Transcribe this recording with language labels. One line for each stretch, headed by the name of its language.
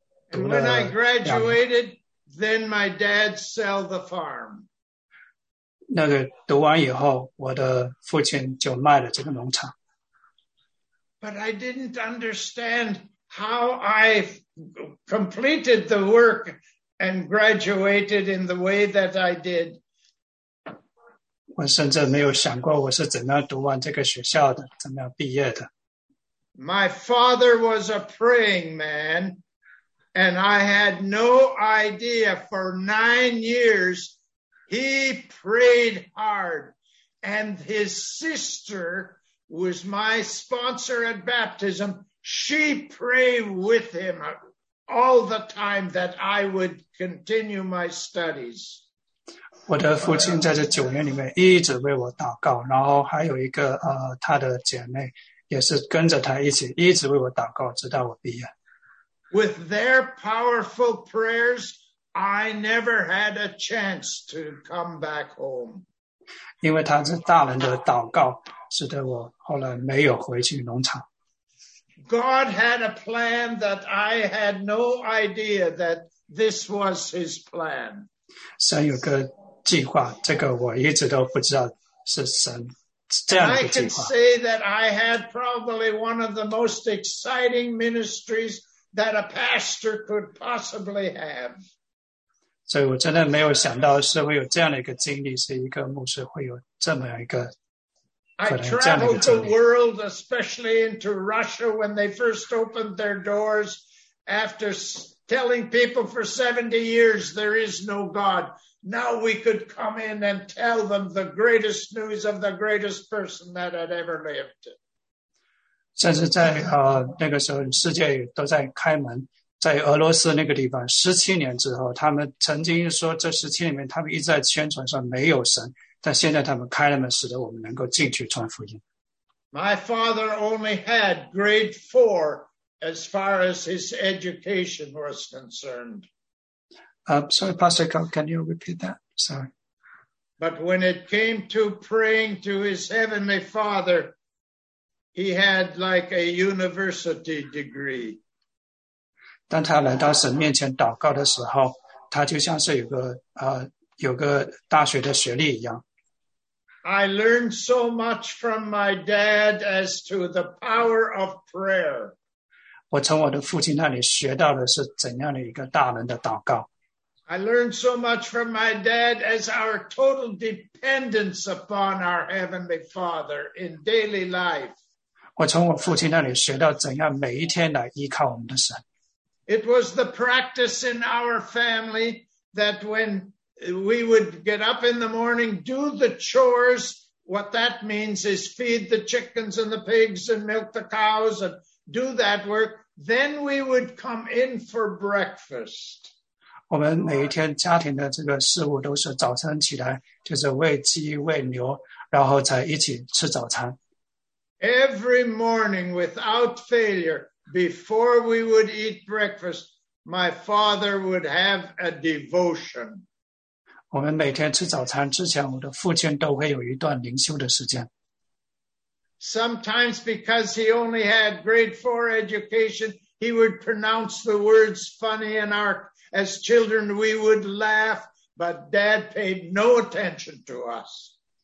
English: And when I graduated, then my dad sold the farm.
Chinese: 那个读完以后，我的父亲就卖了这个农场。
English: But I didn't understand how I completed the work and graduated in the way that I did.
Chinese: 我甚至没有想过我是怎样读完这个学校的，怎样毕业的。
English: My father was a praying man, and I had no idea for 9 years. He prayed hard, and his sister was my sponsor at baptism. She prayed with him all the time that I would continue my studies.
Chinese: 我的父亲在这九年里面一直为我祷告，然后还有一个他的姐妹也是跟着他一起一直为我祷告，直到我毕业。
English: With their powerful prayers. I never had a chance to come back home.
Chinese: 因为他是大人的祷告，使得我后来没有回去农场。
English: God had a plan that I had no idea that this was His plan.
Chinese: 神有个计划，这个我一直都不知道是神这样的计划。
English: I can say that I had probably one of the most exciting ministries that a pastor could possibly have.
Chinese: 所以我真的没有想到是会有这样的一个经历，是一个牧师会有这么一个可能这样的一个经历。
English: I traveled the world, especially into Russia when they first opened their doors after telling people for 70 years there is no God. Now we could come in and tell them the greatest news of the greatest person that had ever lived.
Chinese: 甚至在那个时候世界都在开门。在俄罗斯那个地方，17年之后，他们曾经说这17年里面，他们一直在宣传说没有神，但现在他们开了门，使得我们能够进去传福音。
English: My father only had grade 4 as far as his education was concerned. Sorry, Pastor Carl, can you repeat that? Sorry. But when it came to praying to his heavenly father, he had like a university degree.
Chinese: 当他来到神面前祷告的时候，他就像是有个大学的学历一样。
English: I learned so much from my dad as to the power of prayer.
Chinese: 我从我的父亲那里学到的是怎样的一个大能的祷告。
English: I learned so much from my dad as our total dependence upon our heavenly Father in daily life.
Chinese: 我从我父亲那里学到怎样每一天来依靠我们的神。
English: It was the practice in our family that when we would get up in the morning, do the chores. What that means is feed the chickens and the pigs and milk the cows and do that work. Then we would come in for breakfast.
Chinese: 我们每一天家庭的这个事物都是早晨起来，就是喂鸡喂牛，然后才一起吃早餐。
English: Every morning without failure, before we would eat breakfast, my father would have a devotion.
Chinese: 我们每天吃早餐之前，我的父亲都会有一段灵修的时间。
English: Sometimes because he only had grade 4 education, he would pronounce the words funny and arc. As children, we would laugh, but dad paid no attention to us.